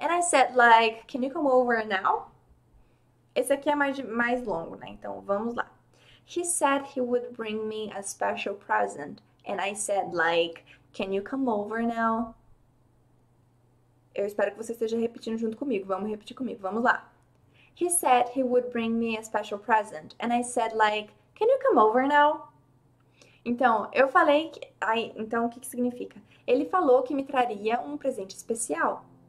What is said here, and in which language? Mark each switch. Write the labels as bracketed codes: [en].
[en] And I said, like, can you come over now? [pt] Esse aqui é mais longo, né? Então, vamos lá. [en] He said he would bring me a special present. And I said, like, can you come over now? [pt] Eu espero que você esteja repetindo junto comigo. Vamos repetir comigo. Vamos lá. [en] He said he would bring me a special present. And I said, like, can you come over now? [pt] Então, eu falei que. Ai, então, o que que significa? Ele falou que me traria um presente especial.